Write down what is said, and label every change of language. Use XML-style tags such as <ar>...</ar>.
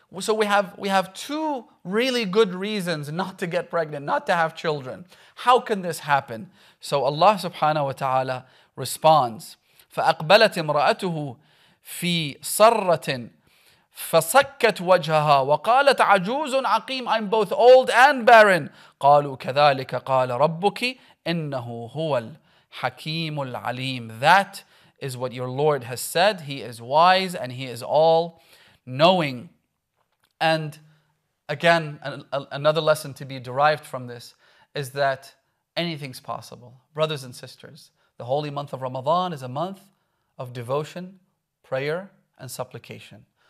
<en>So we have two really good reasons not to get pregnant, not to have children. How can this happen? So Allah subhanahu wa ta'ala responds,</en> <ar>فَأَقْبَلَتْ امْرَأَتُهُ فِي صَرَّةٍ فَسَكَّتْ وَجْهَهَا وَقَالَتْ عَجُوزٌ عَقِيمٌ</ar> <en>I'm both old and barren.</en> <ar>قَالُوا كَذَلِكَ قَالَ رَبُّكِ إِنَّهُ هُوَ الْحَكِيمُ الْعَلِيمُ</ar> <en>That is what your Lord has said. He is wise and He is all knowing. And again, another lesson to be derived from this is that anything's possible. Brothers and sisters, the holy month of Ramadan is a month of devotion, prayer, and supplication.</en>